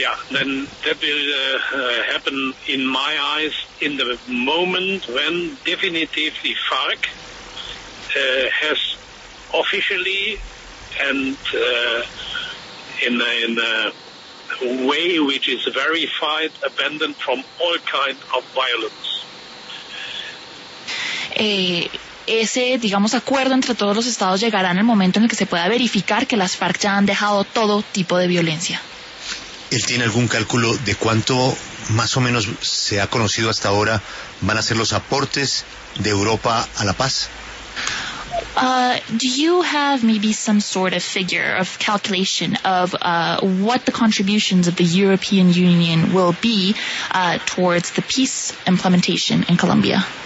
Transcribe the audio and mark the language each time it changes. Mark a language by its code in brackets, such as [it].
[en] then that will happen in my eyes in the moment when definitively FARC has officially and in a way which is verified abandoned from all kind of violence. [es] Ese, digamos, acuerdo entre todos los estados llegará en el momento en el que se pueda verificar que las FARC ya han dejado todo tipo de violencia. ¿Él tiene algún cálculo de cuánto, más o menos, se ha conocido hasta ahora, van a ser los aportes de Europa a la paz? [en] Do you have maybe some sort of figure of calculation of what the contributions of the European Union will be towards the peace implementation in Colombia?